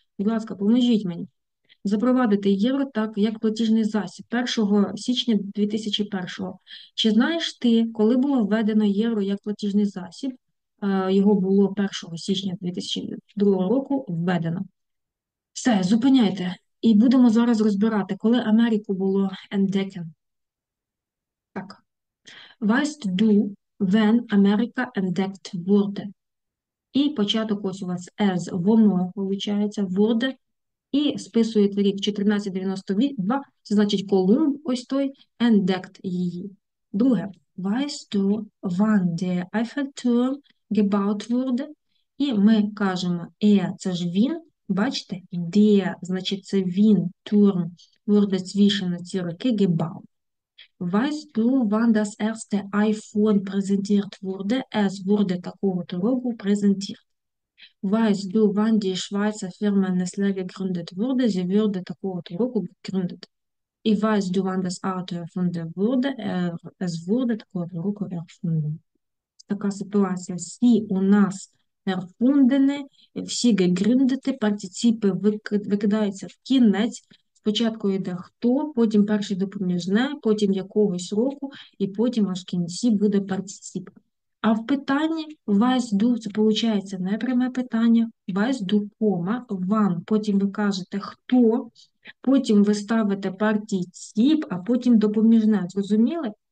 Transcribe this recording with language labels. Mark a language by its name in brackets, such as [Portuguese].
[Ukrainian] Будь ласка, поможіть мені. Запровадити євро так, як платіжний засіб 1 січня 2001-го. Чи знаєш ти, коли було введено євро як платіжний засіб, його було 1 січня 2002 року введено. Все, зупиняйте. І будемо зараз розбирати, коли Америку було entdecken. Так. [German] Weißt du, [English] when America [German] entdeckt wurde? [Ukrainian] І початок ось у вас as, воно, виходить, wurde. І списуєте рік 1492, це значить Колумб, ось той, entdeckt її. Друге. [German] Weißt du, wann der Eiffelturm gebaut wurde? [Ukrainian] І ми кажемо, це ж він. Бачите, де, значить, це він, Турн, [German] wurde zwischen [Ukrainian] ці роки [German] gebaut. Weißt du, wann das erste iPhone präsentiert wurde? Es wurde [Ukrainian] такого-то року [German] präsentiert. Weißt du, wann die Schweizer Firma Nestlé gegründet wurde? Sie wurde [Ukrainian] такого-то року [German] gegründet. [Ukrainian] І [German] weißt du, wann das Auto erfunden wurde? Es wurde [Ukrainian] такого-то року [German] erfunden. [Ukrainian] Така ситуація. Всі у нас erfundene, всі gegründete, партиципи викидаються в кінець. Спочатку йде хто, потім перше допоміжне, потім якогось року, і потім аж в кінці буде партиціп. А в питанні [German] weißt du, [Ukrainian] це виходить не пряме питання, weißt du, кома, ван, потім ви кажете хто, потім ви ставите партиціп, а потім допоміжне. Зрозуміли?